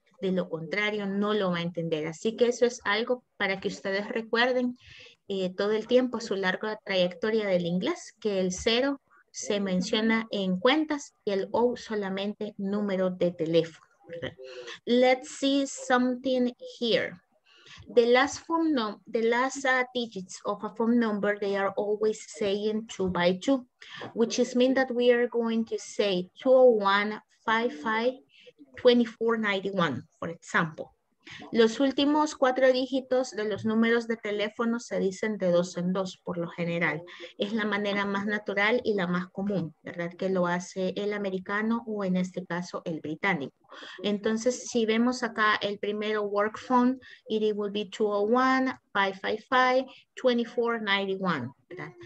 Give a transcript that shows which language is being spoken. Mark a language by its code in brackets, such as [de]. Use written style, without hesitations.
[es] De lo contrario, no lo va a entender. Así que eso es algo para que ustedes recuerden todo el tiempo, su larga trayectoria del inglés, que el 0 se menciona en cuentas y el O solamente número de teléfono, ¿verdad? [en] Let's see something here. The last phone number, the last digits of a phone number, they are always saying 2x2, which is mean that we are going to say 201-55-2491, for example. [es] Los últimos cuatro dígitos de los números de teléfono se dicen de dos en dos, por lo general. Es la manera más natural y la más común, ¿verdad? Que lo hace el americano o en este caso el británico. Entonces, si vemos acá el primero work phone, [en] it will be 201-555-2491, [es] ¿verdad?